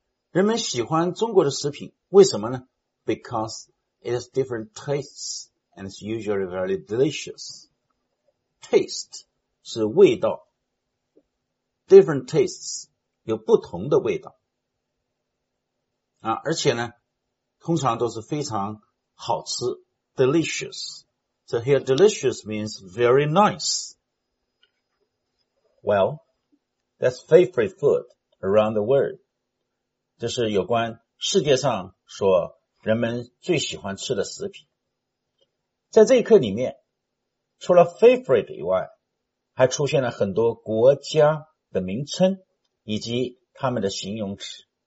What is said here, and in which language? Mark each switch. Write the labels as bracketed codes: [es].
[zh] 人们喜欢中国的食品，为什么呢？ [en] Because it has different tastes and it's usually very delicious. [zh] Taste 是味道。 [en] Different tastes, [zh] 有不同的味道。啊，而且呢，通常都是非常好吃 ,delicious. [en] So here delicious means very nice. Well, that's favorite food around the world. [zh] 这是有关世界上所人们最喜欢吃的食品。在这一课里面，除了 favorite 以外，还出现了很多国家的名称以及他们的形容词。